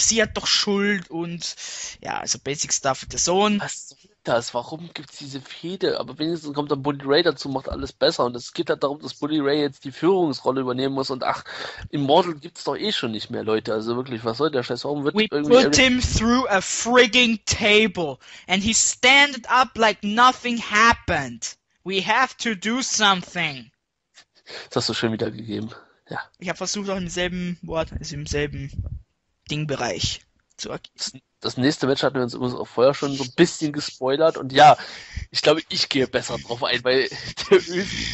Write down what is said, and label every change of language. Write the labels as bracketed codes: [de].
[de] Sie hat doch Schuld und ja, also Basic Stuff der Sohn. Was soll das? Warum gibt es diese Fehde? Aber wenigstens kommt dann Bully Ray dazu, macht alles besser. Und es geht halt darum, dass Bully Ray jetzt die Führungsrolle übernehmen muss. Und ach, Immortal gibt es doch eh schon nicht mehr, Leute. Also wirklich, was soll der Scheiß? Warum wird [en] We [de] irgendwie [en] put him through a frigging table and he stand up like nothing happened. We have to do something. [de] Das hast du schön wiedergegeben. Ja. Ich habe versucht, auch im selben Wort, also im selben Dingbereich zu agieren. Das nächste Match hatten wir uns übrigens auch vorher schon so ein bisschen gespoilert. Und ja, ich glaube, ich gehe besser drauf ein, weil der Ösi.